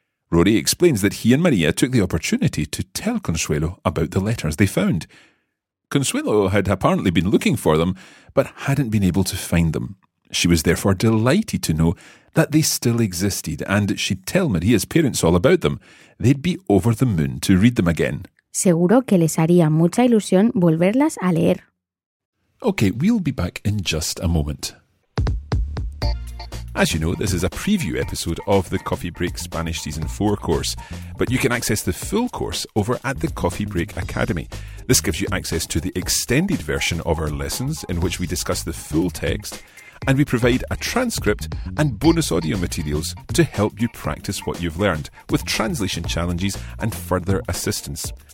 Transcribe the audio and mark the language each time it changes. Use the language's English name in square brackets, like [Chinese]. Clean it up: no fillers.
[English] Rory explains that he and Maria took the opportunity to tell Consuelo about the letters they found. Consuelo had apparently been looking for them, but hadn't been able to find them. She was therefore delighted to know that they still existed and she'd tell Maria's parents all about them. They'd be over the moon to read them again. [Spanish] Seguro que les haría mucha ilusión volverlas a leer. [English] Okay, we'll be back in just a moment. As you know, this is a preview episode of the Coffee Break Spanish Season 4 course, but you can access the full course over at the Coffee Break Academy. This gives you access to the extended version of our lessons in which we discuss the full text, and we provide a transcript and bonus audio materials to help you practice what you've learned with translation challenges and further assistance.